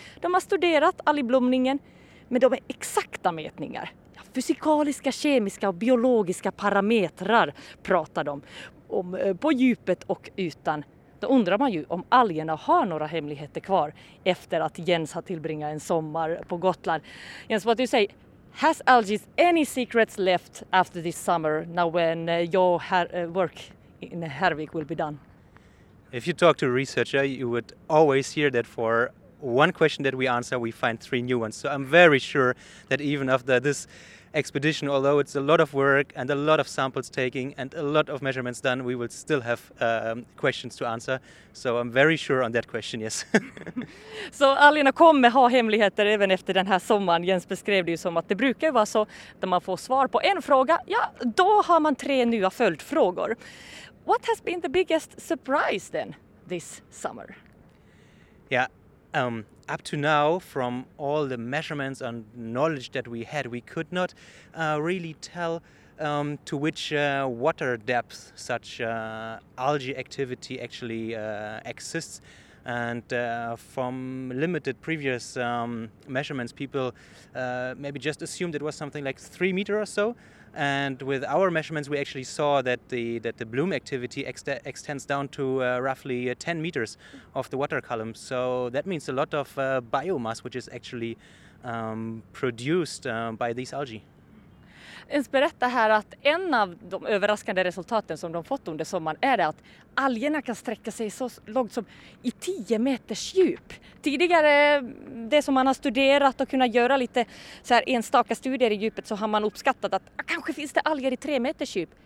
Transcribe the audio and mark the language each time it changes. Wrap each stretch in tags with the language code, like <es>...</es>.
<sv>De har studerat algblomningen, men de är exakta mätningar. Ja, fysikaliska, kemiska och biologiska parametrar pratar de om på djupet och ytan. Då undrar man ju om algerna har några hemligheter kvar efter att Jens har tillbringat en sommar på Gotland.</sv> <en>Jens, what do you say? Has algae any secrets left after this summer, now when your work in Härvik will be done? If you talk to a researcher, you would always hear that for one question that we answer, we find three new ones. So I'm very sure that even after this expedition, although it's a lot of work and a lot of samples taking and a lot of measurements done, we will still have questions to answer. So I'm very sure on that question, yes.</en> <sv>Så algerna kommer ha hemligheter även efter den här sommaren. Jens beskrev det ju som att det brukar vara så att man får svar på en fråga, ja, då har man tre nya följdfrågor.</sv> <en>What has been the biggest surprise then this summer? Yeah. Up to now, from all the measurements and knowledge that we had, we could not really tell to which water depth such algae activity actually exists. And from limited previous measurements, people maybe just assumed it was something like 3 meters or so. And with our measurements, we actually saw that the bloom activity extends down to roughly 10 meters of the water column. So that means a lot of biomass, which is actually produced by these algae.</en> <sv>Ens berätta här att en av de överraskande resultaten som de fått under sommaren är att algerna kan sträcka sig så långt som i 10 meters djup. Tidigare, det som man har studerat och kunnat göra lite så här enstaka studier i djupet, så har man uppskattat att kanske finns det alger i 3 meters djup.</sv>